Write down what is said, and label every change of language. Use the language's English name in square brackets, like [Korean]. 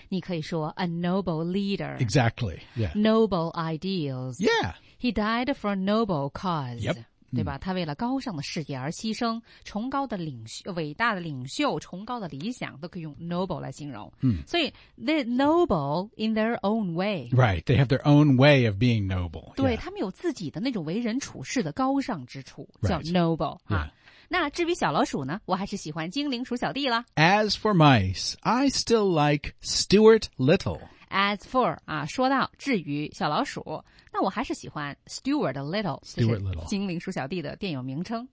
[Chinese] 你可以说 [English] a noble leader. Exactly, yeah. Noble ideals. Yeah. He died for a noble cause. Yep. [Chinese] 对吧他为了高尚的事业而牺牲崇高的领袖伟大的领袖崇高的理想都可以用 noble 来形容。所以 [English] they're noble in their own way. Right, they have their own way of being noble. [Chinese] 对、 [English] yeah. [Chinese] 他们有自己的那种为人处事的高尚之处叫 noble.、 [English] Right. 啊 yeah. [Chinese] 那至于小老鼠呢，我还是喜欢精灵鼠小弟了。 [English] As for mice, I still like Stuart Little. As for, [Chinese] 啊，说到至于小老鼠，那我还是喜欢 Stuart Little. [English] Stuart Little. [Chinese] 精灵鼠小弟的电影名称。